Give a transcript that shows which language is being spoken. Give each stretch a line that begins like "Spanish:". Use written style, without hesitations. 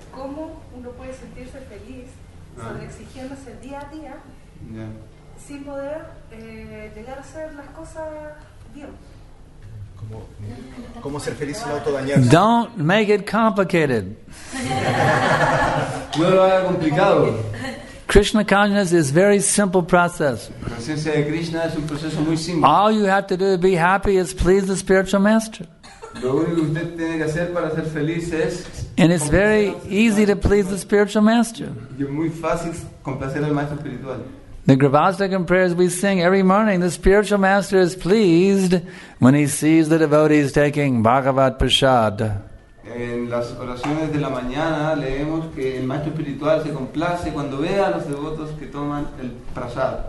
Spanish: ¿Cómo uno puede sentirse feliz exigiéndose día a día sin poder llegar a hacer las cosas bien? ¿Cómo ser feliz sin autodañarse?
English: Don't make it complicated.
Spanish: No lo haga complicado.
English: Krishna consciousness is very simple process.
Spanish: La conciencia de Krishna es un proceso muy simple.
English: All you have to do to be happy is please the spiritual master.
Spanish: Lo único que usted tiene que hacer para ser feliz es.
English: And it's very easy to please the spiritual master.
Spanish: Y es muy fácil complacer al maestro espiritual.
English: The Gravastakam prayers we sing every morning, the spiritual master is pleased when he sees the devotees taking Bhagavad Prasad.
Spanish: En las oraciones de la mañana leemos que el maestro espiritual se complace cuando ve a los devotos que toman el Prasad.